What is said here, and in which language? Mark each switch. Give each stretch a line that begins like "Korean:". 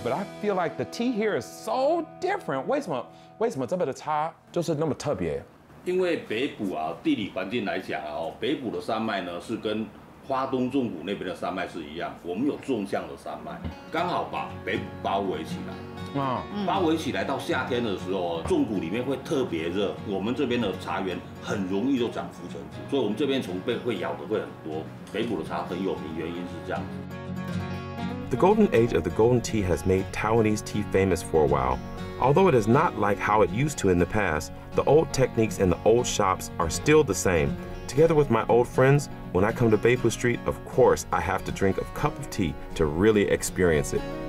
English: But I feel like the tea here is so different.
Chinese: 为什么这边的茶就是那么特别？因为北埔地理环境来讲，北埔的山脉呢是跟 花东纵谷那边的山脉是一样，我们有纵向的山脉，刚好把北埔包围起来。包围起来到夏天的时候，纵谷里面会特别热，我们这边的茶园很容易就长浮尘子，所以我们这边虫被会咬的会很多。北埔的茶很有名，原因是这样子。The
English: golden age of the golden tea has made Taiwanese tea famous for a while. Although it is not like how it used to in the past, the old techniques and the old shops are still the same. Together with my old friends, when I come to Beipu Street, of course, I have to drink a cup of tea to really experience it.